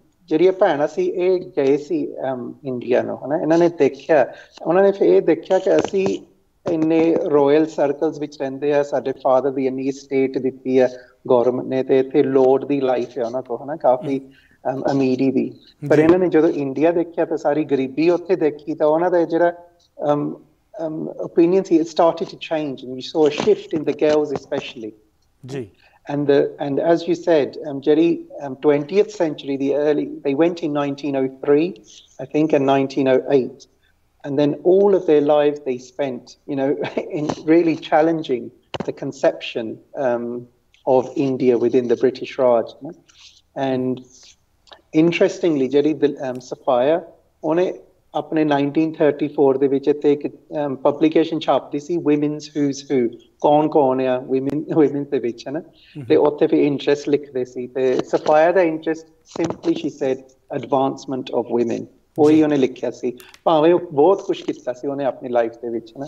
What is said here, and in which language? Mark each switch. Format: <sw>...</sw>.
<pa>ਜਿਹੜੀ ਇਹ ਭੈਣਾਂ ਸੀ ਇਹ ਗਏ ਸੀ ਇੰਡੀਆ ਨੂੰ ਹਨਾ ਇਹਨਾਂ ਨੇ ਦੇਖਿਆ ਉਹਨਾਂ ਨੇ ਫਿਰ ਇਹ ਦੇਖਿਆ ਕਿ ਅਸੀਂ ਇੰਨੇ ਰੋਇਲ ਸਰਕਲਸ ਵਿੱਚ ਰਹਿੰਦੇ ਹਾਂ ਸਾਡੇ ਫਾਦਰ ਦੀ ਇੰਨੀ ਸਟੇਟ ਦਿੱਤੀ ਹੈ ਗੌਰਮੈਂਟ ਨੇ ਤੇ ਇੱਥੇ ਲੋਰਡ ਦੀ ਲਾਈਫ ਹੈ ਉਹਨਾਂ ਕੋਲ ਹਨਾ ਕਾਫੀ ਅਮੀਰੀ ਦੀ ਪਰ ਇਹਨਾਂ ਨੇ ਜਦੋਂ ਇੰਡੀਆ ਦੇਖਿਆ ਤਾਂ ਸਾਰੀ ਗਰੀਬੀ ਉੱਥੇ ਦੇਖੀ ਤਾਂ ਉਹਨਾਂ ਦਾ ਜਿਹੜਾ</pa> <en>opinions it started to change and we saw a shift in the girls especially ji and as you said jerry 20th century the early they went in 1903 I think and 1908 and then all of their lives they spent you know in really challenging the conception of India within the British Raj right? and interestingly jerry the Sophia on it</en> <pa>ਆਪਣੇ 1934 ਦੇ ਵਿੱਚ ਇੱਥੇ ਇੱਕ publication ਛਾਪਦੀ ਸੀ women's whose ਹੂ ਕੌਣ ਕੌਣ ਆ women's ਦੇ ਵਿੱਚ ਹਨਾ ਤੇ ਉੱਥੇ ਫਿਰ ਇੰਟਰਸਟ ਲਿਖਦੇ ਸੀ ਤੇ ਸਫਾਇਆ ਦਾ interest</pa> <en>simply she said advancement of women</en> <pa>ਉਹੀ ਉਹਨੇ ਲਿਖਿਆ ਸੀ ਭਾਵੇਂ ਉਹ ਬਹੁਤ ਕੁਛ ਕੀਤਾ ਸੀ ਉਹਨੇ ਆਪਣੀ ਲਾਈਫ ਦੇ ਵਿੱਚ</pa>